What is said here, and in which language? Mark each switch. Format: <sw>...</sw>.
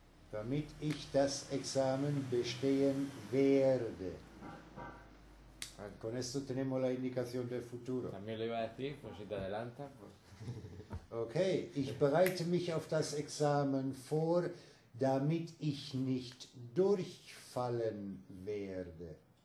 <de>Damit ich das Examen bestehen werde.</de> <es>Con esto tenemos la indicación del futuro. También lo iba a decir, pues si te adelantas,</es> <de>Okay, ich bereite mich auf das Examen vor, damit ich nicht durchfallen werde.</de>